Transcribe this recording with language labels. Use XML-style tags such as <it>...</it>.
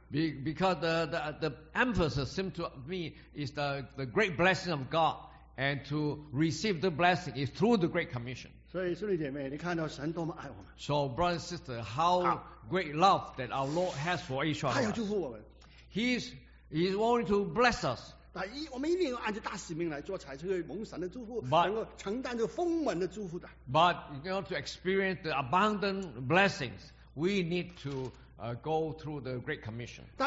<en>Because the emphasis seems to me is the great blessing of God, and to receive the blessing is through the Great Commission.</en> <zh>所以兄弟姐妹，你看到神多么爱我们。</zh> <en>So brothers and sisters, how great love that our Lord has for each other.</en> <zh>他要祝福我们。</zh> <en>He's willing to bless us.</en> <zh>我们一定要按照大使命来做，才能够蒙神的祝福，能够承担这丰满的祝福的。</zh> <en>But in order to experience the abundant blessings, we need to go through the Great Commission.</en>